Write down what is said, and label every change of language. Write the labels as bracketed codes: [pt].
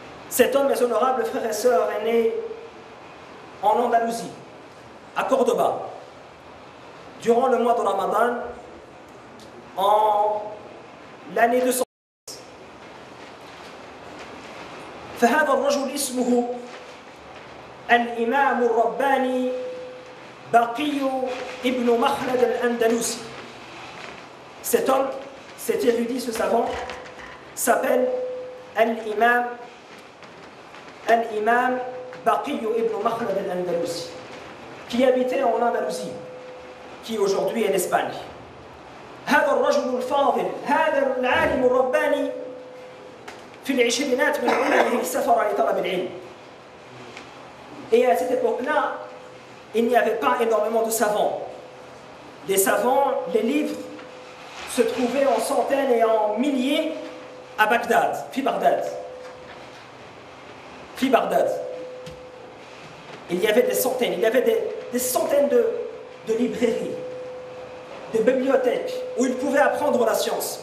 [fr] Cet homme, mes honorables frères et sœurs, est né en Andalousie, à Cordoba, durant le mois de Ramadan, en l'année 200. [ar] فهذا الرجل اسمه الإمام الرباني بقي ابن مخلد الأندلسي. [fr] Cet homme, cet érudit, ce savant, s'appelle l'Imam بقي ابن مخلد الأندلسي, qui habitait en Andalousie, qui aujourd'hui est l'Espagne. [ar] هذا الرجل الفاضل هذا العالم الرباني في العشرينات من عمره سافر لطلب العلم. [fr] Et à cette époque-là, il n'y avait pas énormément de savants. Les savants, les livres se trouvaient en centaines et en milliers à Bagdad, fi Bagdad. Fi Bagdad. Il y avait des centaines, il y avait des centaines de librairies, des bibliothèques où ils pouvaient apprendre la science.